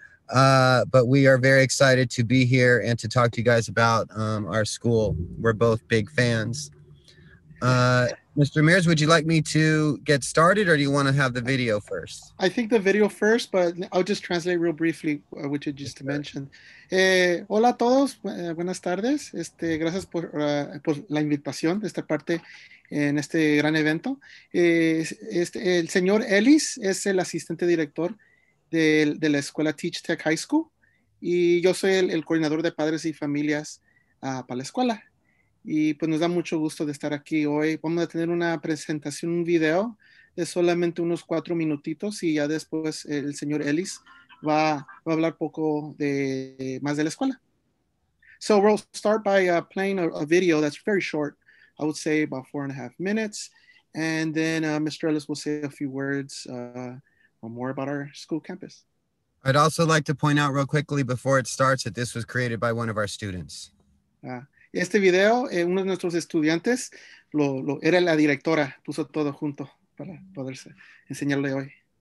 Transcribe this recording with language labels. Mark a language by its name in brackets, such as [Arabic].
[English] But we are very excited to be here and to talk to you guys about our school. We're both big fans. Mr. Ramirez, would you like me to get started or do you want to have the video first? I think the video first, but I'll just translate real briefly what you just mentioned. [Spanish] Hola a todos, buenas tardes. Gracias por la invitación de estar parte en este gran evento. El señor Ellis es el asistente director de la escuela Teach Tech High School, y yo soy el coordinador de padres y familias para la escuela. Y pues nos da mucho gusto de estar aquí hoy. Vamos a tener una presentación, un video de solamente unos 4 minutitos, y ya después el señor Ellis va a hablar poco de más de la escuela. [English] So we'll start by playing a video that's very short, I would say about 4.5 minutes, and then Mr. Ellis will say a few words more about our school campus. I'd also like to point out real quickly before it starts that this was created by one of our students. [Spanish] Este video, uno de nuestros estudiantes, lo era la directora, puso todo junto para poder enseñarle hoy.